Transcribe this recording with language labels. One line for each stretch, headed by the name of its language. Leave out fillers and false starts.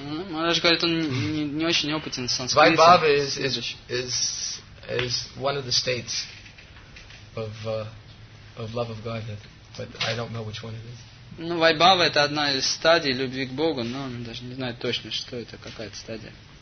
Russian: Maharaj говорит, он не очень опытен в санскрите.
English: Vaibhava is one of the states of love of God, but I don't know which one it is.
Russian: Ну, Vaibhava это одна из стадий любви к Богу, но он даже не знает точно, что это, какая это стадия.